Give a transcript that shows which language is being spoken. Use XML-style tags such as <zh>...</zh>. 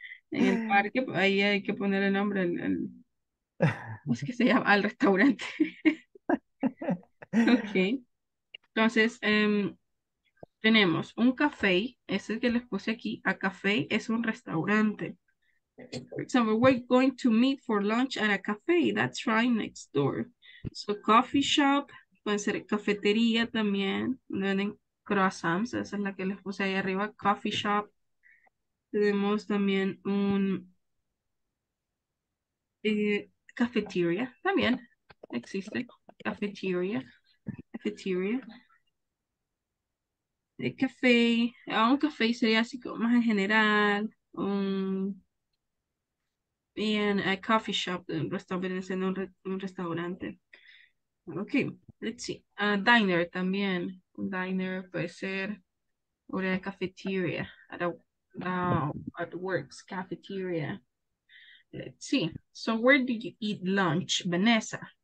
<es>En el parque, ahí hay que poner el nombre, ¿cómo es que se llama? Al restaurante. Ok. Entonces, tenemos un café, ese que les puse aquí, a café es un restaurante.</es> <en>For example, we're going to meet for lunch at a café, that's right next door.</en> <es>So coffee shop, puede ser cafetería también, venden croissants, esa es la que les puse ahí arriba, coffee shop. Tenemos también un cafetería, también existe, cafetería. De café, un café sería así como más en general, bien, a coffee shop, un restaurante.</es> <en>Ok, let's see,</en> <es>a diner también, un diner puede ser, o de cafetería, at work's cafetería.</es> <en>Let's see, so where do you eat lunch, Vanessa?</en>